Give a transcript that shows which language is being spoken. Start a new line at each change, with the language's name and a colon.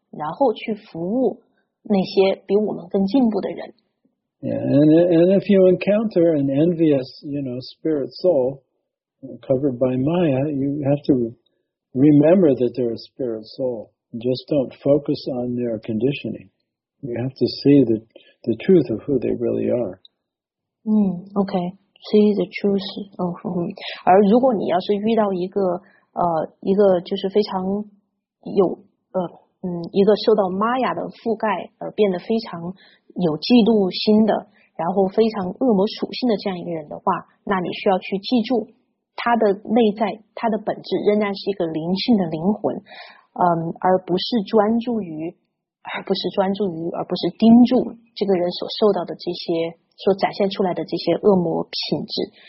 Chinese: 然后去服务那些比我们更进步的人。
English: And if you encounter an envious, you know, spirit soul covered by Maya, you have to remember that they're a spirit soul. Just don't focus on their conditioning. You have to see the truth of who they really are. Okay. See the truth of who.
Chinese: 而如果你要是遇到一个就是非常有一个受到玛雅的覆盖而变得非常有嫉妒心的，然后非常恶魔属性的这样一个人的话，那你需要去记住他的内在，他的本质仍然是一个灵性的灵魂，而不是盯住这个人所受到的这些，所展现出来的这些恶魔品质。